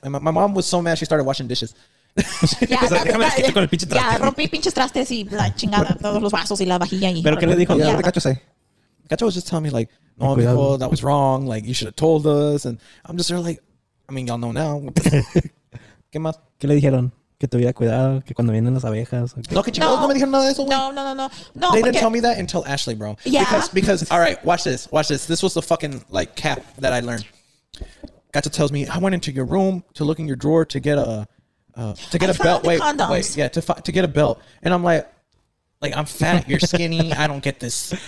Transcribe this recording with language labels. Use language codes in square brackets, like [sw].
[en] And my mom was so mad, she started washing dishes. [es] Yeah, rompí pinches trastes y la chingada, todos los vasos y la vajilla. Pero qué le dijo [en] Cacho, say. Gato was just telling me, like, no, oh, people, that was wrong. Like, you should have told us. And I'm just sort of like, I mean, y'all know now. [es] ¿Qué más? ¿Qué le dijeron? Que tuviera cuidado, que cuando vienen las abejas. Okay. No, no, no me dijeron nada de eso. No, no, no, no. No, [en] they didn't tell me that until Ashley, bro. Yeah. Because, all right, watch this. Watch this. This was the fucking, like, cap that I learned. Gato tells me, I went into your room to look in your drawer to get a... to get I a belt, wait, condoms. Wait, yeah, to get a belt, and I'm like, I'm fat, you're skinny, I don't get this.